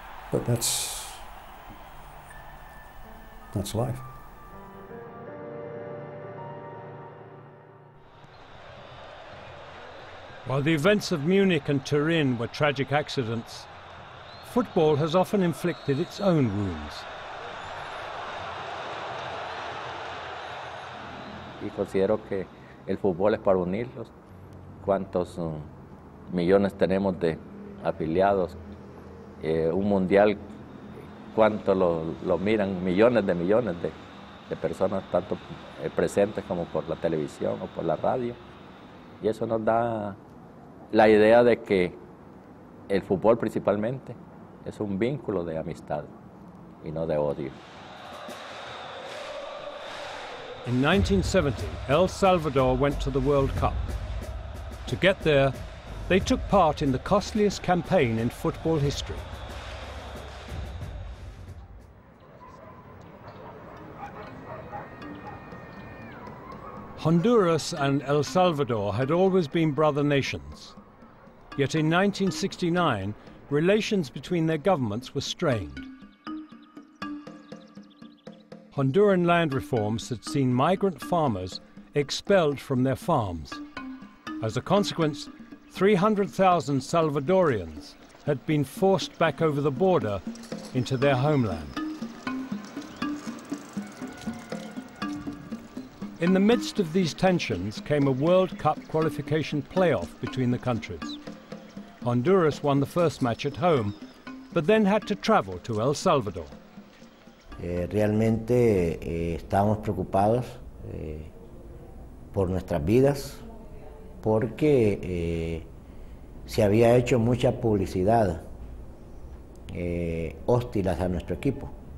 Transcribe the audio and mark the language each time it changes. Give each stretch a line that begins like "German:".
English: But that's life. While the events of Munich and Turin were tragic accidents, football has often inflicted its own wounds.
Spanish: Y considero que el fútbol es para unirlos. Cuántos millones tenemos de afiliados. Un mundial, cuánto lo miran, millones de personas, tanto presentes como por la televisión o por la radio. Y eso nos da la idea de que el fútbol principalmente es un vínculo de amistad y no de odio.
English: In 1970, El Salvador went to the World Cup. To get there, they took part in the costliest campaign in football history. Honduras and El Salvador had always been brother nations. Yet in 1969, relations between their governments were strained. Honduran land reforms had seen migrant farmers expelled from their farms. As a consequence, 300,000 Salvadorians had been forced back over the border into their homeland. In the midst of these tensions came a World Cup qualification playoff between the countries. Honduras won the first match at home, but then had to travel to El Salvador.
Spanish: Realmente estábamos preocupados por nuestras vidas porque se había hecho mucha publicidad hostil a nuestro equipo.